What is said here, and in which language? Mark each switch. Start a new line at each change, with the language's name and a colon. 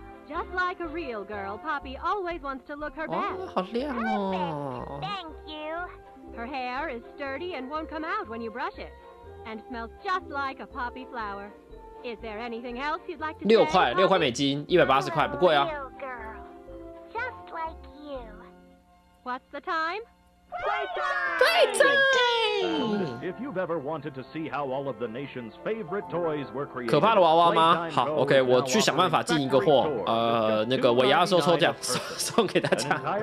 English: Just like a real girl, Poppy always wants to look her best.
Chinese: Oh, 好亮哦。
English: Thank you. Her hair is sturdy and won't come out when you brush it. And smells just like a poppy flower. Is there anything else you'd like to say?
Chinese: 六块，六块美金，180块，不贵啊。
English: Real girl, just like you. What's the time? Playtime! If you've ever wanted to see how all of the nation's favorite toys were created,
Chinese: 可怕的娃娃吗？好 ，OK， 我去想办法进一个货。那个尾牙的时候抽奖送给大家。